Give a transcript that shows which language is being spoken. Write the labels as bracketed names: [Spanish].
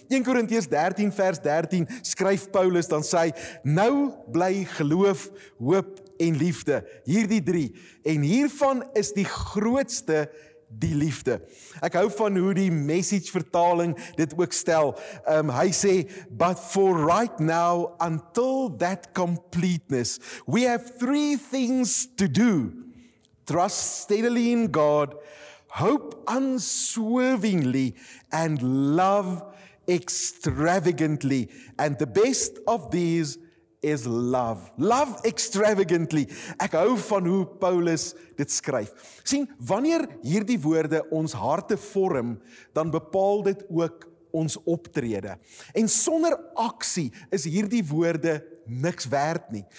[Afrikaans] 1 Korintiërs 13 vers 13 skryf Paulus dan sê, nou bly geloof, hoop en liefde, hierdie drie. En hiervan is die grootste die liefde. Ek hou van hoe die message vertaling dit ook stel. Hy sê, [English] but for right now, until that completeness, we have three things to do. Trust steadily in God, hope unswervingly, and love extravagantly. And the best of these is love. Love extravagantly. [Afrikaans] Ek hou van hoe Paulus dit skryf. Sien, wanneer hierdie woorde ons harte vorm, dan bepaal dit ook ons optrede. En sonder aksie is hierdie woorde niks werd nie.